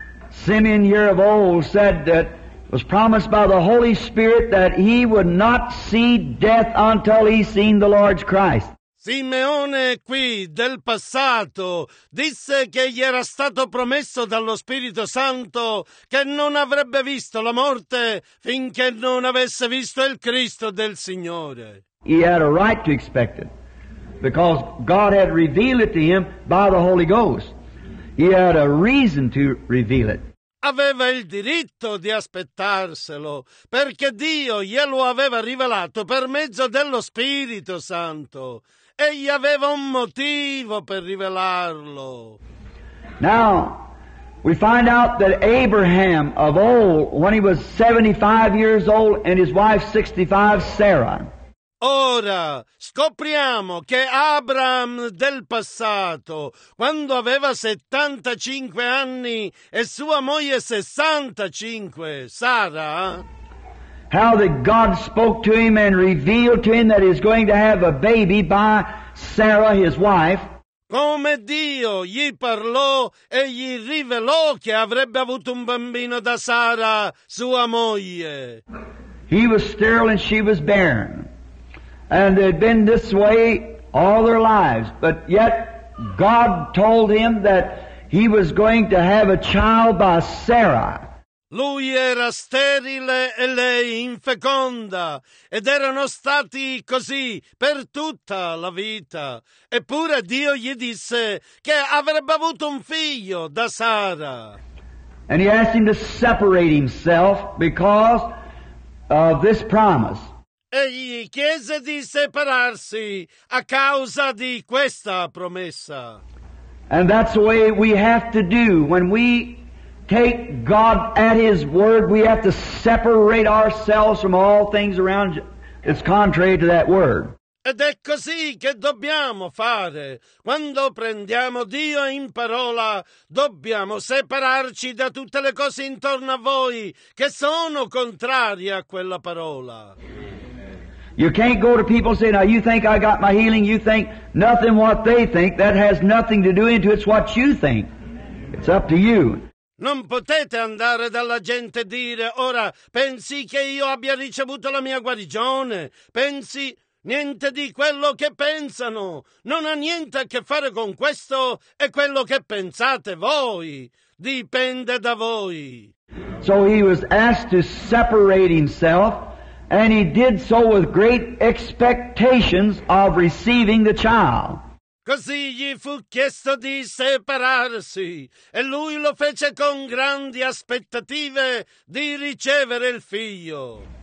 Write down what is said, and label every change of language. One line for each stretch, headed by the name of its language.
English: Simeon, year of old, said that was promised by the Holy Spirit that he would not see death until he seen the Lord Christ.
Italian: Simeone qui del passato disse che gli era stato promesso dallo Spirito Santo che non avrebbe visto la morte finché non avesse visto il Cristo del Signore.
English: He had a right to expect it because God had revealed it to him by the Holy Ghost. He had a reason to reveal it.
Italian: Aveva il diritto di aspettarselo, perché Dio glielo aveva rivelato per mezzo dello Spirito Santo. Egli aveva un motivo per rivelarlo.
English: Now, we find out that Abraham of old, when he was 75 years old, and his wife 65, Sarah.
Italian: Ora, scopriamo che Abraham del passato, quando aveva 75 anni, e sua moglie 65, Sara.
English: How that God spoke to him and revealed to him that he's going to have a baby by Sarah, his wife.
Italian: Come Dio gli parlò e gli rivelò che avrebbe avuto un bambino da Sara, sua moglie.
English: He was sterile and she was barren. And they'd been this way all their lives. But yet God told him that he was going to have a child by Sarah.
Italian: Lui era sterile e lei infeconda, ed erano stati così per tutta la vita. Eppure Dio gli disse che avrebbe avuto un figlio da Sara.
English: And he asked him to separate himself because of this promise.
Italian: Egli chiese di separarsi a causa di questa promessa.
English: And that's the way we have to do when we take God at His word. We have to separate ourselves from all things around you. It's contrary to that word.
Italian: Ed è così che dobbiamo fare. Quando prendiamo Dio in parola, dobbiamo separarci da tutte le cose intorno a voi che sono contrarie a quella parola.
English: You can't go to people and say, now you think I got my healing, you think nothing what they think, that has nothing to do into it, it's what you think. It's up to you.
Italian: Non potete andare dalla gente e dire, ora, pensi che io abbia ricevuto la mia guarigione? Pensi niente di quello che pensano? Non ha niente a che fare con questo e quello che pensate voi. Dipende da voi.
English: So he was asked to separate himself, and he did so with great expectations of receiving the child.
Italian: Così gli fu chiesto di separarsi, e lui lo fece con grandi aspettative di ricevere il figlio.